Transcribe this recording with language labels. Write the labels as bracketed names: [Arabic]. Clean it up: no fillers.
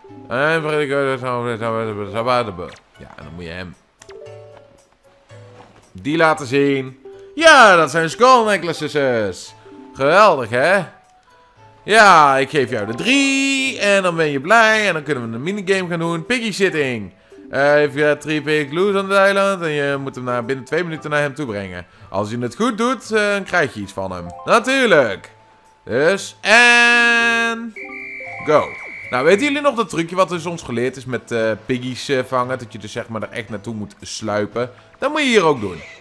[Dutch] Ja, en dan moet je hem. Die laten zien. Ja, dat zijn skull necklaces. Geweldig, hè? Ja, ik geef jou de 3. En dan ben je blij. En dan kunnen we een minigame gaan doen. [English] Piggy sitting. If you had 3 pig loose on the island. [Dutch] En je moet hem binnen 2 minuten naar hem toe brengen. Als je het goed doet, dan krijg je iets van hem. Natuurlijk. Dus, en... go. Nou, weten jullie nog dat trucje wat dus ons geleerd is met piggies vangen? Dat je dus zeg maar er echt naartoe moet sluipen. Dat moet je hier ook doen.